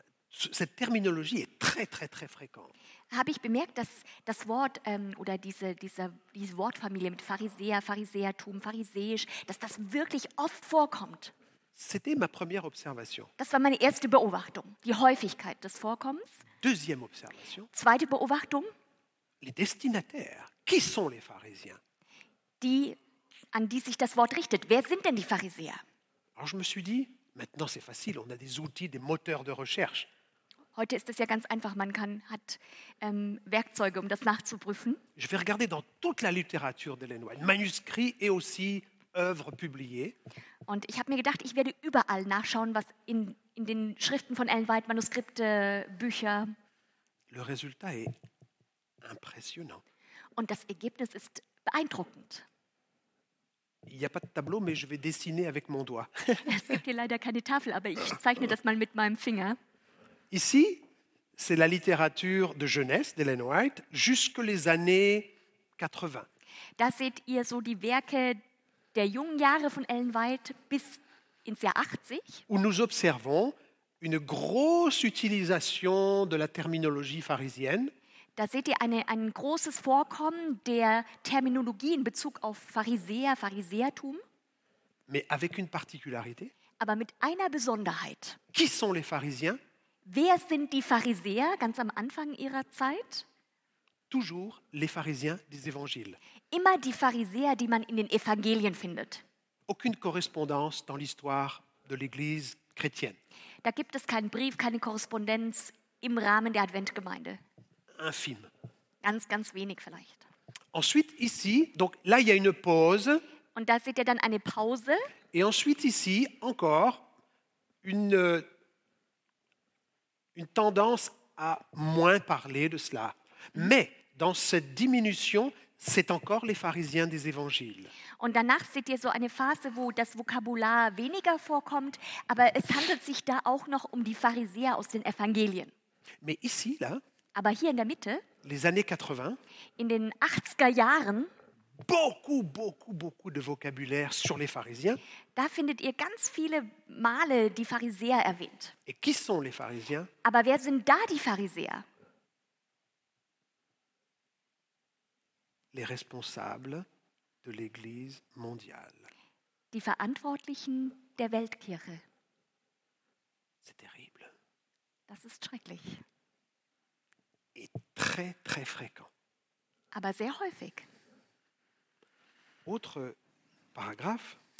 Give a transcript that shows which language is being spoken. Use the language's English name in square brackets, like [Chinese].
[French] Cette terminologie est très très très fréquente. [German] Habe ich bemerkt, dass das Wort oder diese Wortfamilie mit Pharisäer, Pharisäertum, pharisäisch, dass das wirklich oft vorkommt. [French] C'était ma première observation. [German] Das war meine erste Beobachtung, die Häufigkeit des Vorkommens. [French] Deuxième observation. [German] Zweite Beobachtung. [French] les destinataires, qui sont les pharisiens? [German] Die, an die sich das Wort richtet. Wer sind denn die Pharisäer? [French] Alors je me suis dit, maintenant c'est facile, on a des outils, des moteurs de recherche. [German] Heute ist es ja ganz einfach, man kann, hat Werkzeuge, um das nachzuprüfen. [French] Je vais regarder dans toute la littérature d'Ellen White, manuscrits et aussi œuvres publiées. [German] Und ich habe mir gedacht, ich werde überall nachschauen, was in den Schriften von Ellen White, Manuskripte, Bücher. [French] Le résultat est impressionnant. [German] Und das Ergebnis ist beeindruckend. [French] Il n'y a pas de tableau, mais je vais dessiner avec mon doigt. [German] Es gibt hier leider keine Tafel, aber ich zeichne das mal mit meinem Finger. [French] Ici, c'est la littérature de jeunesse d'Ellen White jusque les années 80. [German] Da seht ihr so die Werke der jungen Jahre von Ellen White bis ins Jahr 80. [French] Où nous observons une grosse utilisation de la terminologie pharisienne. [German] Da seht ihr ein großes Vorkommen der Terminologie in Bezug auf Pharisäer, Pharisäertum. [French] Mais avec une particularité. [German] Aber mit einer Besonderheit. [French] Qui sont les pharisiens? [German] Wer sind die Pharisäer ganz am Anfang ihrer Zeit? [French] Toujours les pharisiens des évangiles. [German] Immer die Pharisäer, die man in den Evangelien findet. [French] Aucune correspondance dans l'histoire de l'Église chrétienne. [German] Da gibt es keinen Brief, keine Korrespondenz im Rahmen der Adventgemeinde. [French] Infime. [German] Ganz, ganz wenig vielleicht. [French] Ensuite ici, donc là il y a une pause. [German] Und da seht ihr dann eine Pause. [French] Et ensuite ici encore une tendance à moins parler de cela. Mais dans cette diminution, c'est encore les pharisiens des évangiles. [German] Und danach seht ihr so eine Phase, wo das Vokabular weniger vorkommt, aber es handelt sich da auch noch um die Pharisäer aus den Evangelien. [French] Mais ici là, [German] aber hier in der Mitte, [French] les années 80, [German] in den 80er Jahren, [French] beaucoup de vocabulaire sur les pharisiens. [German] Da findet ihr ganz viele Male die Pharisäer erwähnt. [French] Et qui sont les pharisiens? [German] Aber wer sind da die Pharisäer? [French] Les responsables de l'Église mondiale. [German] Die Verantwortlichen der Weltkirche. [French] C'est terrible. [German] Das ist schrecklich. [French] Et très très fréquent. [German] Aber sehr häufig. [French] Autre paragraphe.